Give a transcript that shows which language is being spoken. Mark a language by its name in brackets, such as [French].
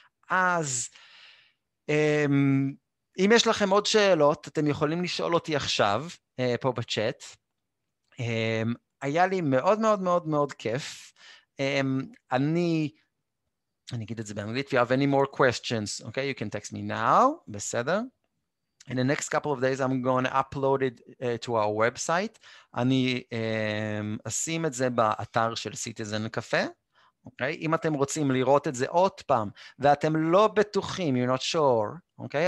[Hebrew] אז, אם יש לכם עוד שאלות, אתם יכולים לשאול אותי עכשיו, פה בצ'אט. היה לי מאוד מאוד מאוד מאוד כיף. אני אגיד את זה באנגלית, [English] if you have any more questions, okay, you can text me now, [Hebrew] בסדר? [English] In the next couple of days, I'm going to upload it to our website. [Hebrew] אני אשים את זה באתר של Citizen Cafe. Okay? אם אתם רוצים לראות את זה עוד פעם, ואתם לא בטוחים, [English] you're not sure, okay?